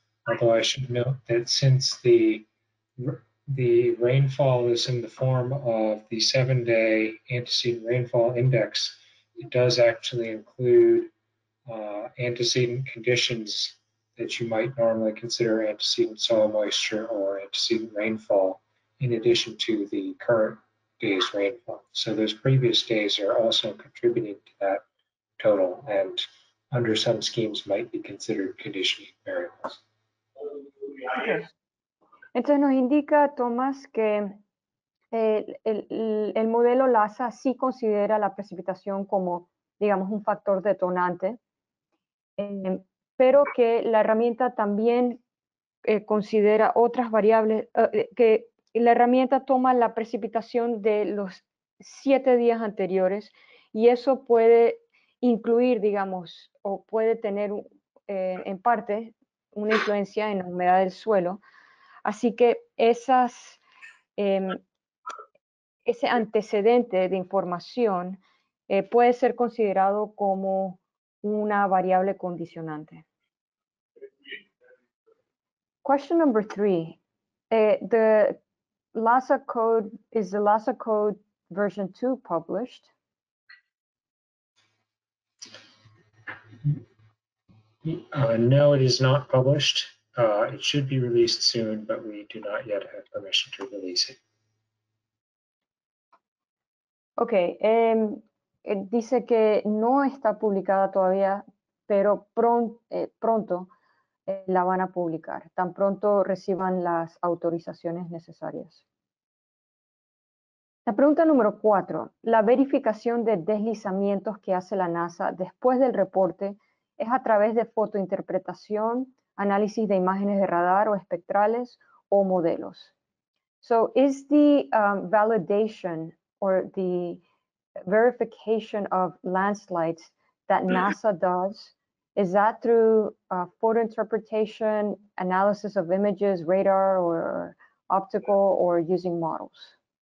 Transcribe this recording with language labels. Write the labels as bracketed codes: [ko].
[en] Although I should note that since the rainfall is in the form of the 7-day antecedent rainfall index, it does actually include antecedent conditions that you might normally consider antecedent soil moisture or antecedent rainfall in addition to the current day's rainfall. So those previous days are also contributing to that total and under some schemes might be considered conditioning variables. Okay. [es] Entonces nos indica, Tomás, que el modelo LASA sí considera la precipitación como, digamos, un factor detonante, pero que la herramienta también considera otras variables, que la herramienta toma la precipitación de los 7 días anteriores y eso puede incluir, digamos, o puede tener en parte una influencia en la humedad del suelo. Así que esas, ese antecedente de información puede ser considerado como una variable condicionante. [en] Question number 3. The LASA code, is the LASA code version 2 published? No, it is not published. It should be released soon, but we do not yet have permission to release it. Okay. [es] Dice que no está publicada todavía, pero pronto la van a publicar. Tan pronto reciban las autorizaciones necesarias. La pregunta número 4. La verificación de deslizamientos que hace la NASA después del reporte es a través de fotointerpretación, análisis de imágenes de radar o espectrales o modelos. [en] So, is the validation or the verification of landslides that NASA does, is that through photo interpretation, analysis of images, radar or optical, or using models?